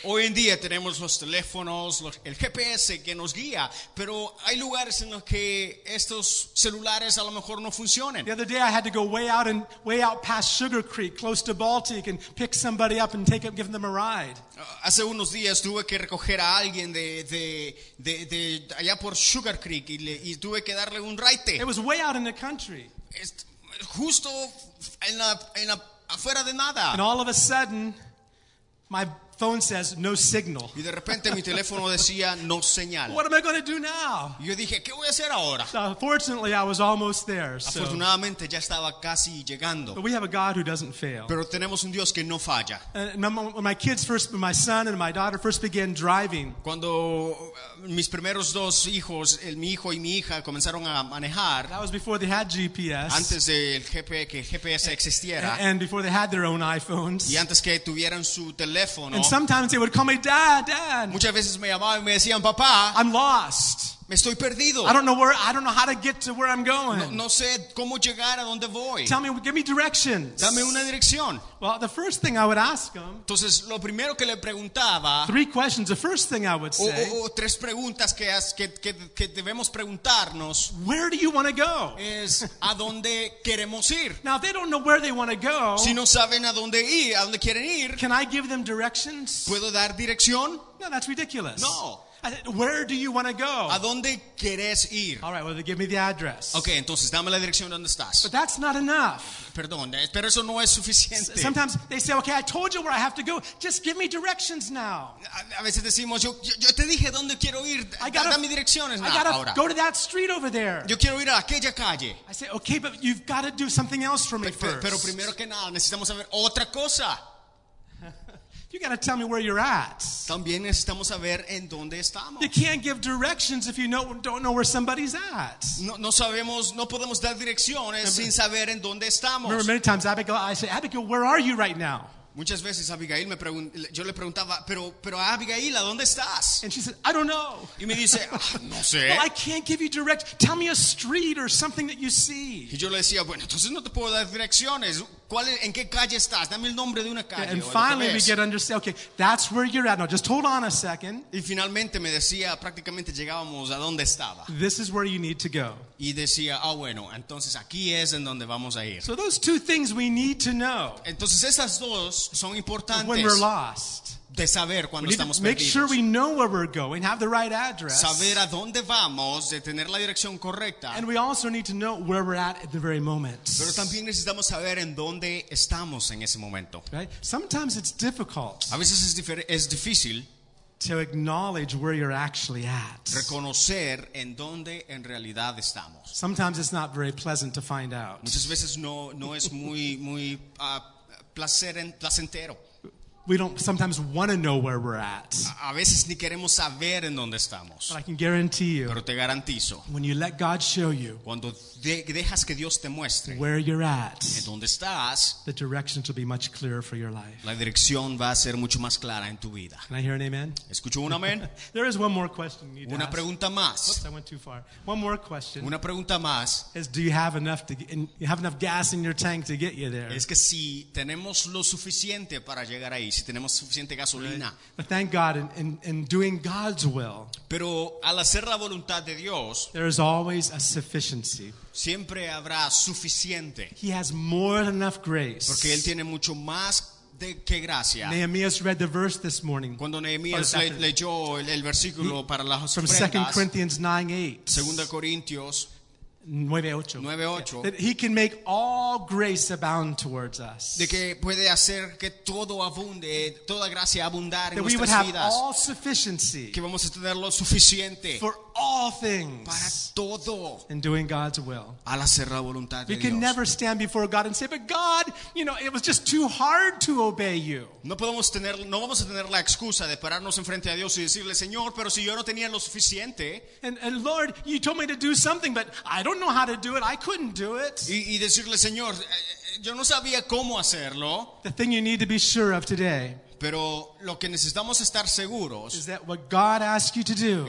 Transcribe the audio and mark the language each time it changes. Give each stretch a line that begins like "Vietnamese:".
Spanish: Hoy en día tenemos los teléfonos, el GPS que nos guía, pero hay lugares en los que estos celulares a lo mejor no funcionan.
English: The other day I had to go way out past Sugar Creek, close to Baltic, and pick somebody up and give them a ride.
Spanish: Hace unos días tuve que recoger a alguien de allá por Sugar Creek y tuve que darle un raite.
English: It was way out in the country.
Spanish: Justo en la afuera de nada.
English: And all of a sudden, my phone says no signal.
Spanish: Y de repente mi teléfono decía no señal.
English: What am I going to do now?
Spanish: Yo dije, ¿qué voy a hacer ahora?
English: So fortunately, I was almost there.
Spanish: Afortunadamente ya estaba casi llegando.
English: But we have a God who doesn't fail.
Spanish: Pero tenemos un Dios que no falla.
English: When my kids first, my son and my daughter first began driving.
Spanish: Cuando mis primeros dos hijos, mi hijo y mi hija comenzaron a manejar.
English: That was before they had GPS.
Spanish: Antes del GPS existiera.
English: And before they had their own iPhones.
Spanish: Y antes que tuvieran su teléfono.
English: And sometimes they would call me, Dad, Dad.
Spanish: Muchas veces me llamaban y me decían, Papá.
English: I'm lost.
Spanish: Me estoy perdido.
English: I don't know how to get to where I'm going.
Spanish: No, no sé cómo llegar a donde voy.
English: Tell me, give me directions.
Spanish: Dame una dirección.
English: Well, the first thing I would ask them.
Spanish: Entonces, lo primero que le preguntaba.
English: Three questions. The first thing I would say.
Spanish: O tres preguntas que debemos preguntarnos.
English: Where do you want to go?
Spanish: Es a dónde queremos ir.
English: Now, if they don't know where they want to go.
Spanish: Si no saben a dónde quieren ir.
English: Can I give them directions?
Spanish: ¿Puedo dar dirección?
English: No, that's ridiculous.
Spanish: No.
English: I said, where do you want to go?
Spanish: ¿A dónde quieres ir?
English: All right, well, give me the address.
Spanish: Okay, entonces dame la dirección donde estás.
English: But that's not enough.
Spanish: Perdón, pero eso no es suficiente.
English: Sometimes they say, okay, I told you where I have to go. Just give me directions now.
Spanish: A veces decimos, yo te dije dónde quiero ir. Dame direcciones ahora.
English: I gotta go to that street over there.
Spanish: Yo quiero ir a aquella calle.
English: I say, okay, but you've got to do something else for me first.
Spanish: Pero primero que nada, necesitamos saber otra cosa.
English: You got to tell me where you're at.
Spanish: También necesitamos saber en dónde estamos.
English: You can't give directions if you don't know where somebody's at.
Spanish: No sabemos, no podemos dar direcciones sin saber en dónde estamos.
English: Remember many times, Abigail, I say, Abigail, where are you right now?
Spanish: Muchas veces Abigail me pregunta, yo le preguntaba, pero Abigail, ¿a dónde estás?
English: And she said, I don't know.
Spanish: Y me dice, no sé.
English: Well, I can't give you direct. Tell me a street or something that you see.
Spanish: Y yo le decía, bueno, entonces no te puedo dar direcciones. ¿En qué calle estás? Dame el nombre de una calle.
English: And finally we get understand, okay, that's where you're at. Now just hold on a second.
Spanish: Y finalmente me decía, prácticamente llegábamos a donde estaba.
English: This is where you need to go.
Spanish: Y decía, ah, bueno, entonces aquí es en donde vamos a ir.
English: So those two things we need to know.
Spanish: Entonces esas dos son importantes.
English: When we're lost.
Spanish: De saber cuando
English: we
Spanish: estamos
English: make
Spanish: perdidos.
English: Sure we know where we're going, have the right address.
Spanish: Saber a dónde vamos, de tener la dirección correcta.
English: And we also need to know where we're at the very moment.
Spanish: Pero también necesitamos saber en dónde estamos en ese momento.
English: Right? Sometimes it's difficult.
Spanish: A veces es difícil.
English: To acknowledge where you're actually at.
Spanish: Reconocer en dónde en realidad estamos.
English: Sometimes it's not very pleasant to find out.
Spanish: Muchas veces no es muy placentero.
English: We don't sometimes want to know where we're at.
Spanish: A veces ni queremos saber en dónde estamos.
English: But I can guarantee you.
Spanish: Pero te garantizo.
English: When you let God show you.
Spanish: Cuando dejas que Dios te muestre.
English: Where you're at.
Spanish: En dónde estás.
English: The directions will be much clearer for your life.
Spanish: La dirección va a ser mucho más clara en tu vida.
English: Can I hear an amen?
Spanish: ¿Escucho un amén?
English: There is one more question you need to ask.
Spanish: Una pregunta más.
English: Oops, I went too far. One more question.
Spanish: Una pregunta más.
English: Is do you have enough gas in your tank to get you there?
Spanish: Es que si tenemos lo suficiente para llegar ahí. Si tenemos suficiente gasolina.
English: Right. But thank God in doing God's will.
Spanish: Pero al hacer la voluntad de Dios,
English: there is always a sufficiency.
Spanish: Siempre habrá suficiente.
English: He has more than enough grace.
Spanish: Porque él tiene mucho más de que gracia.
English: Nehemiah read the verse this morning.
Spanish: Cuando Nehemiah leyó el versículo para las ofrendas.
English: From 2 Corinthians 9:8.
Spanish: Segunda Corintios
English: 9:8. Yeah. That he can make all grace abound towards us.
Spanish: De que puede hacer que todo abunde, toda gracia abundar en nuestras vidas.
English: That we would have all sufficiency.
Spanish: Que vamos a tener lo suficiente.
English: For all things.
Spanish: Para todo.
English: In doing God's will.
Spanish: Al hacer la voluntad de Dios.
English: We can never stand before God and say, "But God, you know, it was just too hard to obey you."
Spanish: No vamos a tener la excusa de pararnos enfrente a Dios y decirle, "Señor, pero si yo no tenía lo suficiente."
English: And Lord, you told me to do something, but I don't know how to do it. I couldn't do it.
Spanish: Y decirle, Señor, yo no sabía cómo hacerlo.
English: The thing you need to be sure of today.
Spanish: Pero lo que necesitamos estar seguros.
English: Is that what God asks you to do?